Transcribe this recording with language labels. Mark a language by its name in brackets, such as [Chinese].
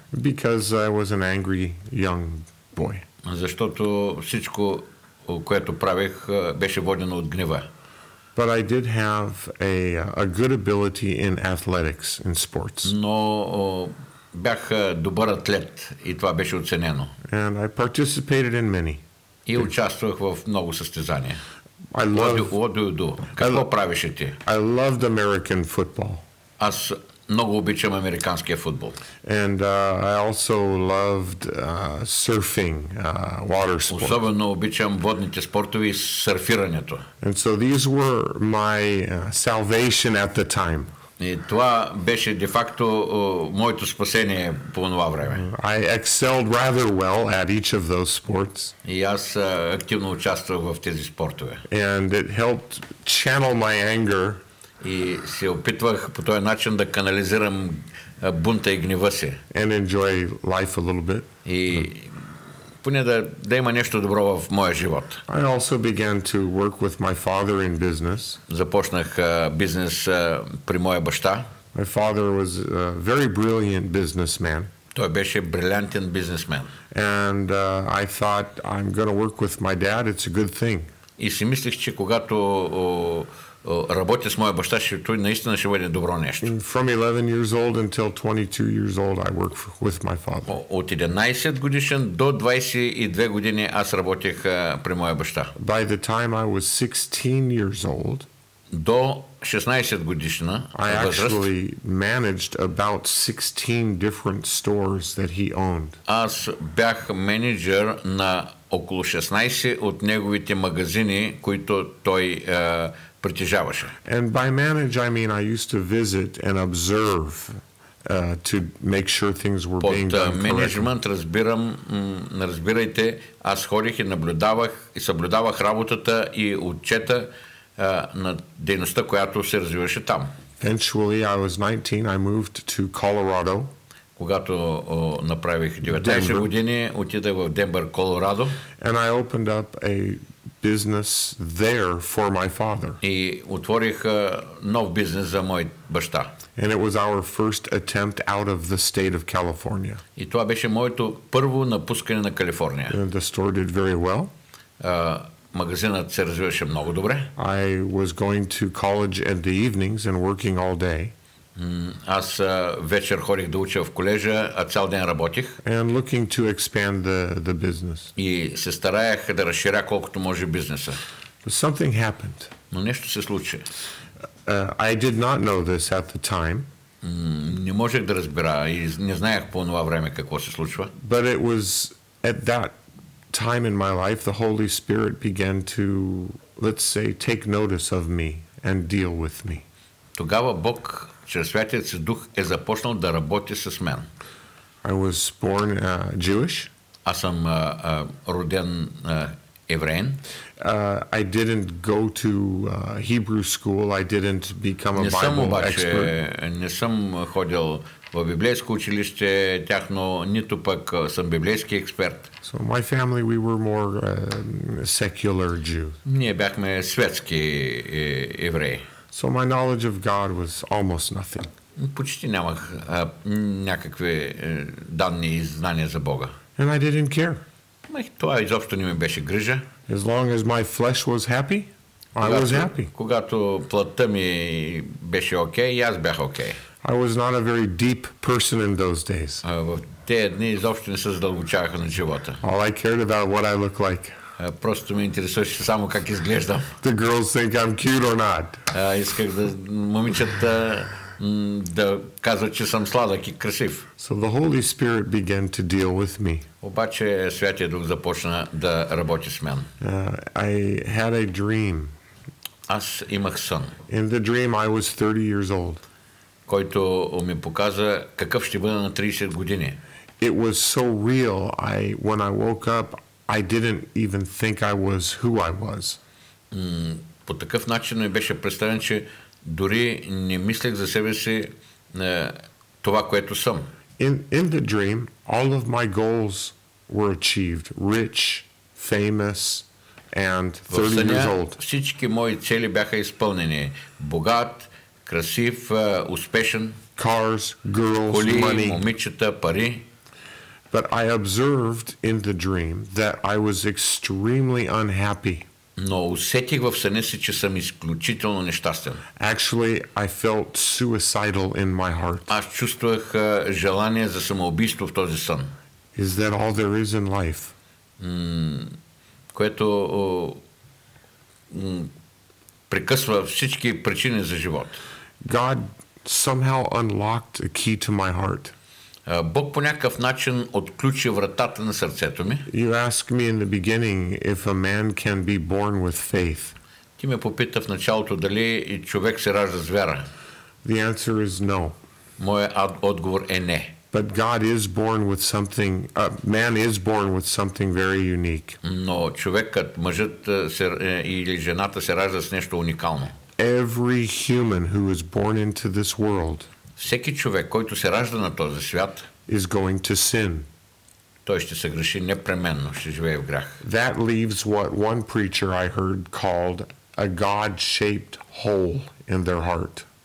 [English] Because I was an angry young boy. [Bulgarian] Защото всичко, което правех, беше водено от гнева. [English] But I did have a good ability in athletics, in sports. [Bulgarian] Но бях добър атлет и това беше оценено. [English] And I participated in many. [Bulgarian] И участвах в много състезания. [English] I love what do you do? [Bulgarian] Какво правиш ти? [English] I loved American football. [Bulgarian] Аз много обичам американския футбол. [English] And I also loved surfing, water sports. [Bulgarian] Особено обичам водните спортове и сърфирането. [English] And so these were my salvation at the time. [Bulgarian] И това беше де факто моето спасение по това време. [English] I excelled rather well at each of those sports. [Bulgarian] И аз активно участвах в тези спортове. [English] And it helped channel my anger. [Bulgarian] И се опитвах по този начин да канализирам бунта и гнева си. [English] And enjoy life a little bit. [Bulgarian] И поне да има нещо добро в моя живот. [English] I also began to work with my father in business. [Bulgarian] Започнах бизнес при моя баща. [English] My father was a very brilliant businessman. [Bulgarian] Той беше брилянтен бизнесмен. [English] And I thought I'm going to work with my dad. It's a good thing. [Bulgarian] И си мислих, че когато работя с моя баща, ще той наистина ще бъде добро нещо. [English] From 11 years old until 22 years old I worked with my father. [Bulgarian] От 11 годишен до 22 години аз работех при моя баща. [English] By the time I was 16 years old, [Bulgarian] до 16 годишна [English] I actually managed about 16 different stores that he owned. [Bulgarian] Аз бях менеджер на около 16 от неговите магазини, които той притежаваше. [English] And by manage I mean I used to visit and observe to make sure things were [Bulgarian] под, [English] being done correctly. [Bulgarian] Под менеджмент разбирам, разбирайте, аз ходих и наблюдавах и съблюдавах работата и отчета на дейността, която се развиваше там. [English] Eventually I was 19, I moved to Colorado. [Bulgarian] Когато направих 19 години, отидах в Денбър, Колорадо. [English] And I opened up a business there for my father. [Bulgarian] И отворих нов бизнес за мой баща. [English] And it was our first attempt out of the state of California. [Bulgarian] И това беше моето първо напускане на Калифорния. [English] And the store did very well. [Bulgarian] Магазинът се развиваше много добре. [English] I was going to college in the evenings and working all day. [Bulgarian] Аз вечер ходих да уча в колежа, а цял ден работих. [English] And looking to expand the business. [Bulgarian] И се стараях да разширя колкото може бизнеса. [English] But something happened. [Bulgarian] Но нещо се случи. [English] I did not know this at the time. [Bulgarian] Не можех да разбера и не знаех по това време какво се случва. [English] But it was at that time in my life the Holy Spirit began to, let's say, take notice of me and deal with me. [Bulgarian] Тогава Бог чрез Святия си Дух е започнал да работи с мен. [English] I was born Jewish. [Bulgarian] Аз съм роден евреин. [English] I didn't go to Hebrew school. I didn't become a Bible expert. [Bulgarian] Не съм обаче, не съм ходил в библейско училище тяхно, нито пък съм библейски експерт. [English] So my family, we were more secular Jews. [Bulgarian] Ние бяхме светски евреи. [English] So my knowledge of God was almost nothing. [Bulgarian] Почти нямах някакви данни и знания за Бога. [English] And I didn't care. [Bulgarian] Това изобщо не ми беше грижа. [English] As long as my flesh was happy, I was happy. [Bulgarian] Когато плътта ми беше окей, и аз бях окей. [English] I was not a very deep person in those days. [Bulgarian] В тези дни изобщо не се задълбочаваха на живота. [English] All I cared about what I look like. [Bulgarian] Просто ме интересуваше само как изглеждам. [English] The girls think I'm cute or not. [Bulgarian] Исках да момичета да казват, че съм сладък и красив. [English] So the Holy Spirit began to deal with me. [Bulgarian] Обаче Святия Дух започна да работи с мен. [English] I had a dream. [Bulgarian] Аз имах сън. [English] In the dream I was 30 years old. [Bulgarian] Който ми показа какъв ще бъда на 30 години. [English] It was so real. When I woke up, I didn't even think I was who I was. [Bulgarian] По такъв начин ми беше представен, че дори не мислех за себе си това, което съм. [English] In the dream, all of my goals were achieved. Rich, famous, and 30 years old. [Bulgarian] Всички мои цели бяха изпълнени. Богат, красив, успешен. [English] Cars, girls, [Bulgarian] коли, [English] money. [Bulgarian] Момичета, пари. [English] But I observed in the dream that I was extremely unhappy. [Bulgarian] Но усетих в съня си, че съм изключително нещастен. [English] Actually, I felt suicidal in my heart. [Bulgarian] Аз чувствах желание за самоубийство в този сън. [English] Is that all there is in life? [Bulgarian] Което прекъсва всички причини за живот. [English] God somehow unlocked a key to my heart. [Bulgarian] Бог по някакъв начин отключи вратата на сърцето ми. [English] You ask me in the beginning if a man can be born with faith. [Bulgarian] Ти ме попита в началото дали и човек се ражда с вяра. [English] The answer is no. [Bulgarian] Моят отговор е не. [English] But God is born with something, a man is born with something very unique. [Bulgarian] Но човекът, мъжът или жената се ражда с нещо уникално. [English] Every human who is born into this world, [Bulgarian] всеки човек, който се ражда на този свят, [English] is going to sin. [Bulgarian] Той ще се греши непременно, ще живее в грях. [English] That leaves what one preacher I heard called a God-shaped hole in their heart.